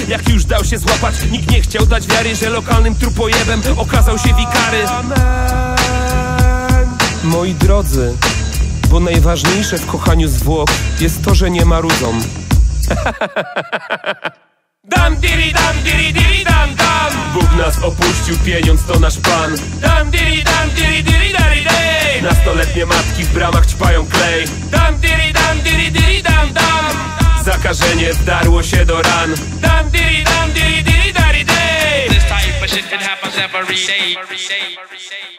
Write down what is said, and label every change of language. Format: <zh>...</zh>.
<pl>Jak już dał się złapać, nikt nie chciał dać wiary, że lokalnym trupojebem okazał się wikary. Amen. Moi drodzy, bo najważniejsze w kochaniu zwłok jest to, że nie ma rudzą. Dam diri dam diri diri dam dam. Bóg nas opuścił, pieniądz to nasz pan. Dam diri dam diri diri dari dej. Nastoletnie matki w bramach ćpają klej. Dam diri dam diri diri dam dam. Zakażenie wdarło się do ran. Dam diri dam diri diri dari dej.</pl> <en>This type of shit can happen every day.</en>